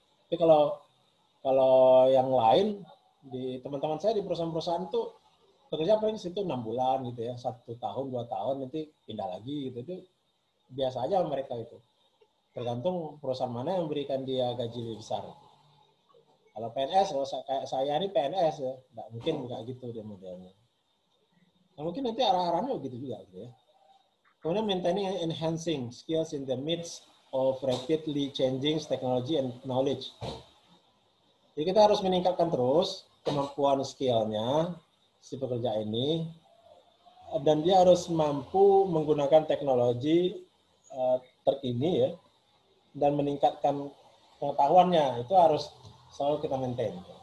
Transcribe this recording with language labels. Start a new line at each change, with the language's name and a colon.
Indonesian: Tapi kalau kalau yang lain, di teman-teman saya di perusahaan-perusahaan tuh, bekerja paling situ 6 bulan gitu ya, 1 tahun, 2 tahun, nanti pindah lagi gitu. Itu biasa aja mereka itu. Tergantung perusahaan mana yang memberikan dia gaji lebih besar. Kalau PNS, kalau kayak saya ini PNS ya, nggak mungkin nggak gitu dia modelnya. Nah, mungkin nanti arah-arahnya begitu juga gitu ya. Kemudian
English: maintaining and enhancing skills in the midst of rapidly changing technology and knowledge.
Indonesian: Jadi kita harus meningkatkan terus kemampuan skillnya si pekerja ini, dan dia harus mampu menggunakan teknologi terkini ya, dan meningkatkan pengetahuannya, itu harus selalu kita maintain.